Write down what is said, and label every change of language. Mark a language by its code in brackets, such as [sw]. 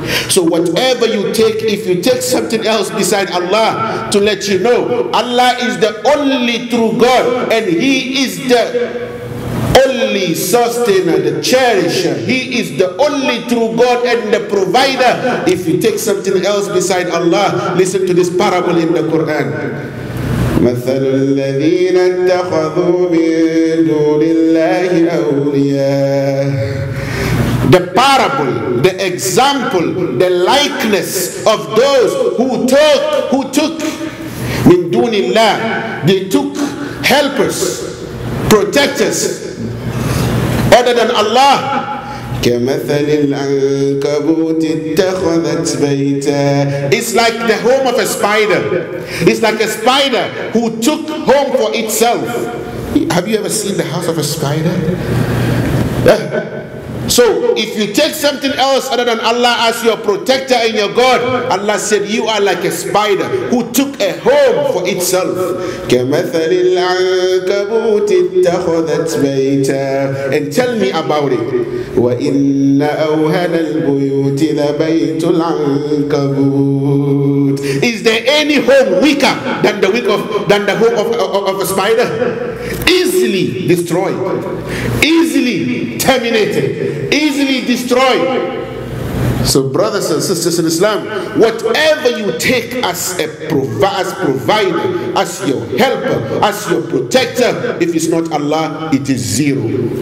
[en] So whatever you take, if you take something else beside Allah, to let you know, Allah is the only true God, and He is the only sustainer, the cherisher. He is the only true God and the provider. If you take something else beside Allah, listen to this parable in the Quran. [ar] مثل الذين اتخذوا من دون الله أولياء. [en] The parable, the example, the likeness of those who took [ar] من دون الله. [en] They took helpers, protectors, other than Allah. [ar] كمثل العنكبوت اتخذت بيتا. [en] It's like the home of a spider. It's like a spider who took home for itself. Have you ever seen the house of a spider? So if you take something else other than Allah as your protector and your God, Allah said you are like a spider who took a home for itself. [ar] كمثل العنكبوت اتخذت بيتا. [en] And tell me about it. [ar] وإن أوهن البيوت لبيت العنكبوت. [en] Is there any home weaker than the weak of than the home of a spider? Easily destroyed, easily terminated, easily destroyed. So brothers and sisters in Islam, whatever you take as a provider, as your helper, as your protector, if it's not Allah, it is zero.